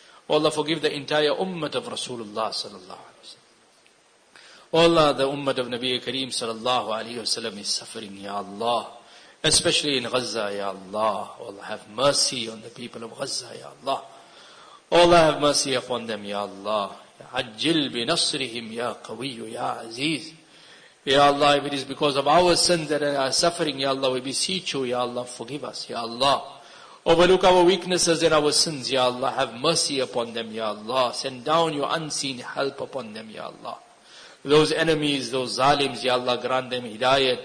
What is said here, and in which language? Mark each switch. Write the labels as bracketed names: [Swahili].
[English] Oh Allah, forgive the entire ummah of Rasulullah sallallahu alayhi wa sallam. Oh Allah, the ummah of Nabi Kareem sallallahu alayhi wa sallam is suffering, Ya Allah. Especially in Gaza, Ya Allah. Oh Allah, have mercy on the people of Gaza, Ya Allah. Oh Allah, have mercy upon them, Ya Allah. [Arabic] عجل بنصرهم يا قوي يا عزيز. [English] Ya Allah, if it is because of our sins that are suffering, Ya Allah, we beseech you, Ya Allah, forgive us, Ya Allah. Overlook our weaknesses and our sins, Ya Allah. Have mercy upon them, Ya Allah. Send down your unseen help upon them, Ya Allah. Those enemies, those zalims, Ya Allah, grant them hidayat.